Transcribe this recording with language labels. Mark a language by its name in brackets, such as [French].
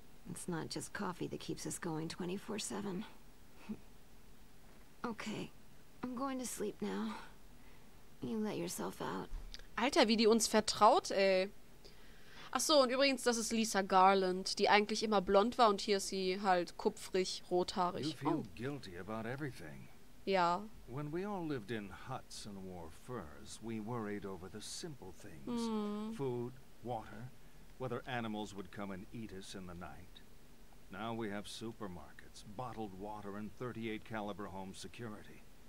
[English] It's not just coffee that keeps us going 24/7. Okay, I'm going to sleep now. You let yourself out. [German] Alter, wie die uns vertraut, ey. Ach so, und übrigens, das ist Lisa Garland, die eigentlich immer blond war und hier ist sie halt kupfrig, rothaarig. [English] You feel guilty about everything. [German] Ja. [English] When we all lived in huts and wore furs, we worried over the simple things. Food, water, whether animals would come and eat us in the night. Now we have supermarkets, bottled water and 38 caliber home security.